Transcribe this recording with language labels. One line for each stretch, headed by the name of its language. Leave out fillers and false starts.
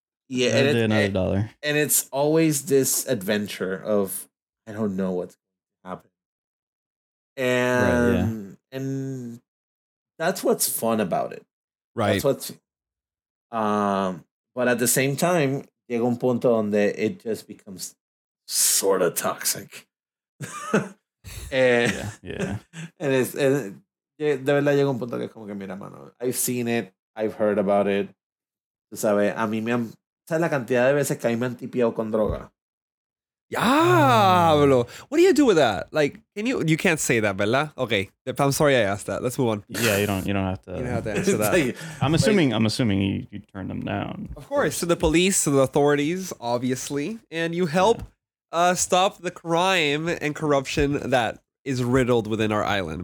English: Yeah, and it's always this adventure of I don't know what's going to happen, and that's what's fun about it, right? That's what's but at the same time,
Spanish: llega un punto donde
English: it just becomes sort of toxic.
Spanish: De verdad llega un punto que es como que mira, mano,
English: I've seen it, I've heard about it,
Spanish: sabes, a mí me han... ¿Sabes la cantidad de veces que a mí me han tipiado con droga?
English: Yeah, what do you do with that? Like, can you? You can't say that, Bella. Okay, I'm sorry I asked that. Let's move on. Yeah, you don't have to. You don't have to answer that. Like, I'm assuming you turn them down. Of course, to the police, to the authorities, obviously, and you help stop the crime and corruption that is riddled within our island.